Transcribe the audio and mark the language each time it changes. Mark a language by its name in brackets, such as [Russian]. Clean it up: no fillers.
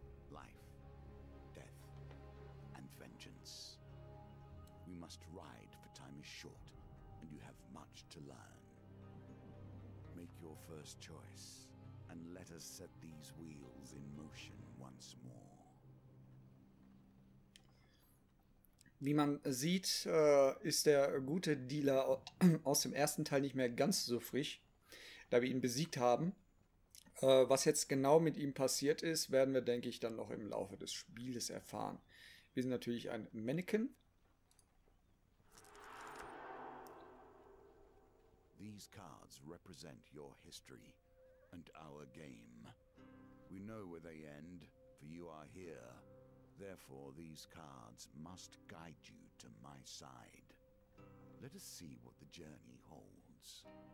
[English] Life, death, and vengeance. We must ride, for time is short, and you have much to learn. Make your first choice, and let us set these wheels in motion once more. [German] Wie man sieht, ist der gute Dealer aus dem ersten Teil nicht mehr ganz so frisch, da wir ihn besiegt haben. Was jetzt genau mit ihm passiert ist, werden wir, denke ich, dann noch im Laufe des Spieles erfahren. Wir sind natürlich ein Mannequin. [English] These cards represent your history and our game. We know where they end, for you are here. Therefore, these cards must guide you to my side. Let us see what the journey holds.